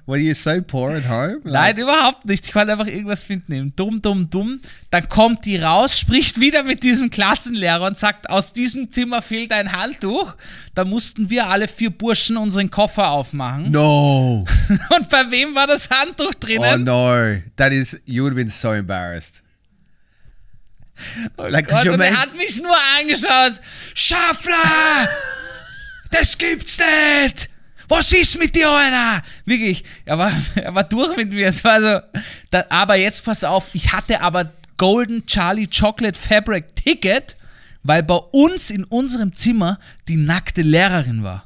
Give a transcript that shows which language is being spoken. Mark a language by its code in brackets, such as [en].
[en] Were you so poor at home? [de] Nein, überhaupt nicht, ich wollte einfach irgendwas mitnehmen. Dumm, dumm, dumm. Dann kommt die raus, spricht wieder mit diesem Klassenlehrer und sagt, aus diesem Zimmer fehlt ein Handtuch. Da mussten wir alle 4 Burschen unseren Koffer aufmachen. [en] No. [de] Und bei wem war das Handtuch drinnen? [en] Oh no, that is, you would have been so embarrassed. [de] Like, Gott, und er hat mich nur angeschaut. Schaffler! Das gibt's nicht! Was ist mit dir, einer? Wirklich, er war durch mit mir. Es war so, da, aber jetzt pass auf, ich hatte aber Golden Charlie Chocolate Fabric Ticket, weil bei uns in unserem Zimmer die nackte Lehrerin war.